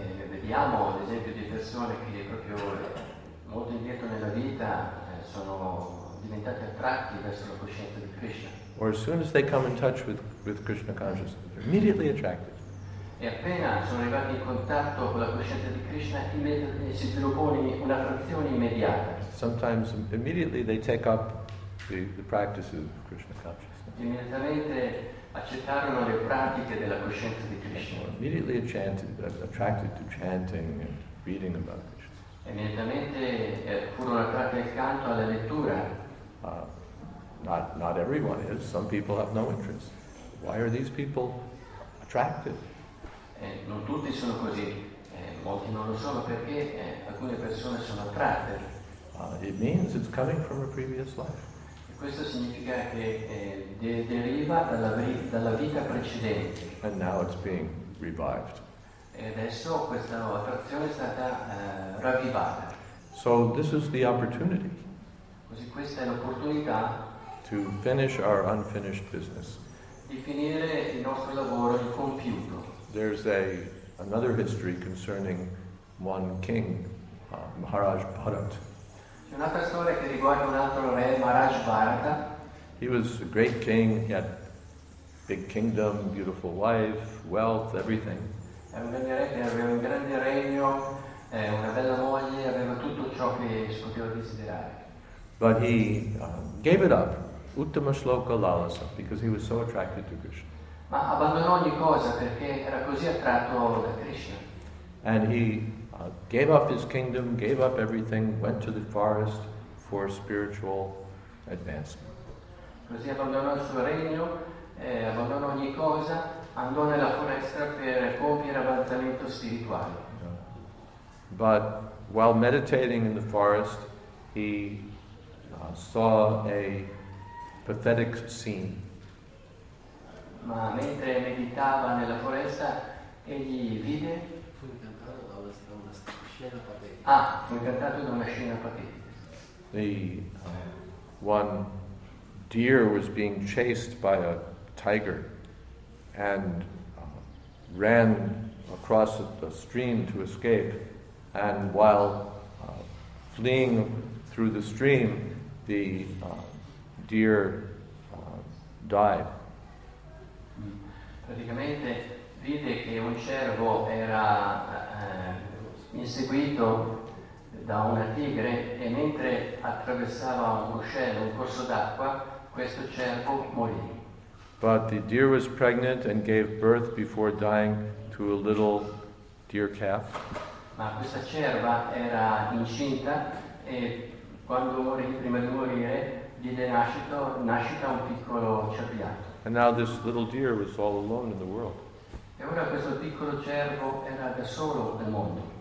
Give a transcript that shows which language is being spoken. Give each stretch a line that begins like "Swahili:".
Italian: Vediamo l'esempio di persone che proprio molto indietro nella vita sono diventate attratti verso la coscienza di Krishna.
English: Or as soon as they come in touch with Krishna consciousness, they're immediately attracted.
Italian: E appena sono arrivati in contatto con la coscienza di Krishna, si propone una attrazione immediata.
English: Sometimes immediately they take up the practices of Krishna consciousness.
Italian: Immediatamente accettarono le pratiche della coscienza di Krishna.
English: Or immediately attracted to chanting and reading about Krishna.
Italian: Immediatamente furono attratti al canto, alla lettura.
English: Not everyone is. Some people have no interest. Why are these people attracted?
Italian: Non tutti sono così. Molti non lo sono perché alcune persone sono attratte.
English: It means it's coming from a previous life.
Italian: Questo significa che deriva dalla vita precedente.
English: And now it's being revived.
Italian: E adesso questa attrazione è stata ravvivata.
English: So this is the opportunity.
Italian: Così questa è l'opportunità.
English: To finish our unfinished business.
Italian: Di finire il nostro lavoro incompiuto.
English: There's another history concerning one king, Maharaj Bharat.
Italian: C'è un'altra storia che riguarda un altro re, Maharaj Bharata.
English: He was a great king. He had big kingdom, beautiful wife, wealth, everything.
Italian: Era un grande re, aveva un grande regno, una bella moglie, aveva tutto ciò che poteva desiderare.
English: But he gave it up.
Sanskrit: Uttama shloka lalasa,
English: because he was so attracted to Krishna.
Italian: Ma abbandonò ogni cosa perché era così attratto da Krishna.
English: And he gave up his kingdom, gave up everything, went to the forest for spiritual advancement.
Italian: Così abbandonò il suo regno, abbandonò ogni cosa, andò nella foresta per compiere avanzamento spirituale.
English: But while meditating in the forest, he saw a pathetic scene.
Italian: Ma mentre meditava nella foresta, egli vide. Fu incantato da una scena patetica. Fu incantato da una scena patetica.
English: The one deer was being chased by a tiger, and ran across the stream to escape. And while fleeing through the stream, the deer died.
Italian: Praticamente vide che un cervo era inseguito da una tigre e mentre attraversava un ruscello, un corso d'acqua, questo cervo morì.
English: But the deer was pregnant and gave birth before dying to a little deer calf.
Italian: Ma questa cerva era incinta e quando morì, prima di morire, diede nascita a un piccolo cervo.
English: And now this little deer was all alone in the world.
Italian: E ora questo piccolo cervo era da solo nel mondo.